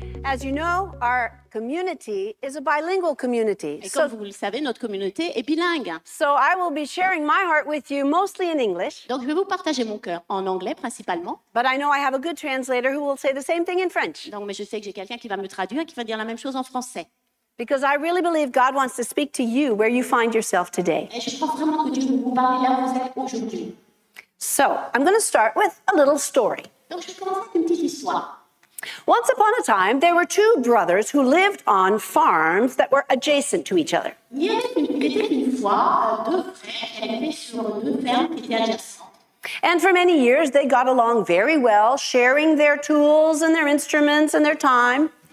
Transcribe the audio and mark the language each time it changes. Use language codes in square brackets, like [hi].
[en] As you know, our community is a bilingual community. [fr] Et comme vous le savez, notre communauté est bilingue. [en] So I will be sharing my heart with you mostly in English. [fr] Donc je vais vous partager mon cœur en anglais principalement. [en] But I know I have a good translator who will say the same thing in French. [fr] Donc mais je sais que j'ai quelqu'un qui va me traduire et qui va dire la même chose en français. [en] Because I really believe God wants to speak to you where you find yourself today. [fr] Et je pense vraiment que Dieu veut vous parler là où vous êtes aujourd'hui. [en] So I'm going to start with a little story. [fr] Donc je commence avec une petite histoire. [en] Once upon a time, there were two brothers who lived on farms that were adjacent to each other. And for many years, they got along very well, sharing their tools and their instruments and their time.